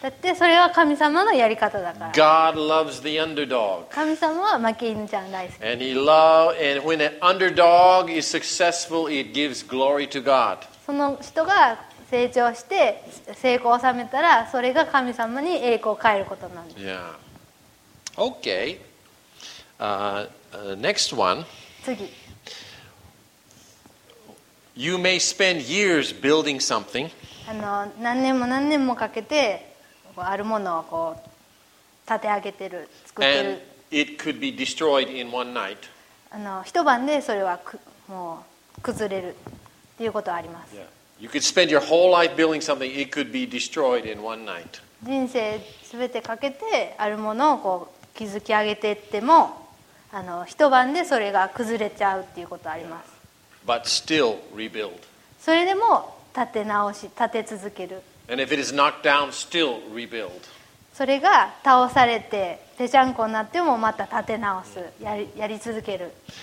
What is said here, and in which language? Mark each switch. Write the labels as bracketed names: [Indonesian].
[Japanese] だってそれは神様のやり方だから。 [English] God loves the underdog. [Japanese] 神様は負け犬ちゃん大好き。 [English] And he loves, and when an underdog is successful, it gives glory to God. [Japanese] その人が成長して成功を収めたら、それが神様に栄光を返ることなんです。 [English] Yeah. Okay. Next one. [Japanese] 次。 [English] You may spend years building something. [Japanese] 何年も何年もかけてあるものをこう立て上げてる、作ってる。 [English] And it could be destroyed in one night. [Japanese] 一晩でそれはもう崩れるっていうことはあります。 Yeah. [English] You could spend your whole life building something. It could be destroyed in one night. [Japanese] 人生すべてかけてあるものをこう築き上げてっても一晩でそれが崩れちゃうっていうことあります。 Yeah. [English] But still rebuild. [Japanese] それでも立て直し、立て続ける。 [English] And if it is knocked down, still rebuild. [Japanese] それが倒されてぺちゃんこになってもまた立て直す、やり続ける。